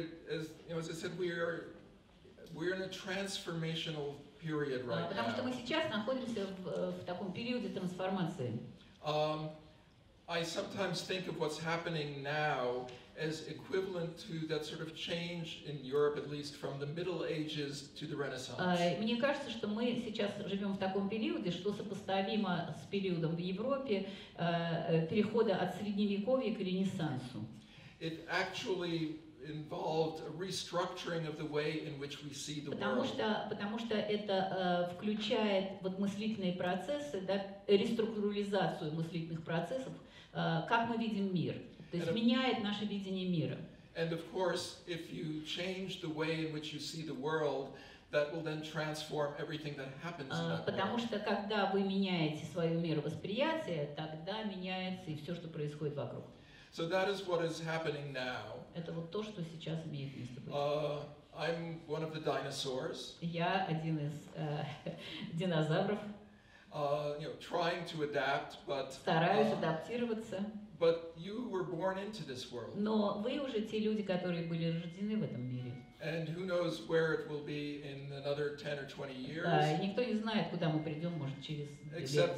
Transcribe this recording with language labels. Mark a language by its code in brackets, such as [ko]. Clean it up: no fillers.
[en] As I said, we're in a transformational period right now. [ru] Потому что мы сейчас находимся в таком периоде трансформации. [en] I sometimes think of what's happening now as equivalent to that sort of change in Europe, at least from the Middle Ages to the Renaissance. [ru] Мне кажется, что мы сейчас живем в таком периоде, что сопоставимо с периодом в Европе перехода от Средневековья к Ренессансу. [en] It actually involved a restructuring of the way in which we see the world. [ru] Потому что это включает вот мыслительные процессы, да, реструктуризацию мыслительных процессов. Как мы видим мир, то есть меняет наше видение мира. [en] And of course, if you change the way in which you see the world, that will then transform everything that happens in that. [ru] Потому что когда вы меняете свое мировосприятие, тогда меняется и все, что происходит вокруг. [en] So that is what is happening now. [ru] Это вот то, что сейчас имеет место быть. [en] I'm one of the dinosaurs. [ru] Я один из динозавров. [en] Trying to adapt, but [ru] стараюсь адаптироваться. [en] But you were born into this world. [ru] Но вы уже те люди, которые были рождены в этом мире. [en] And who knows where it will be in another 10 or 20 years? [ru] Да, никто не знает, куда мы придем, может, через лет 10.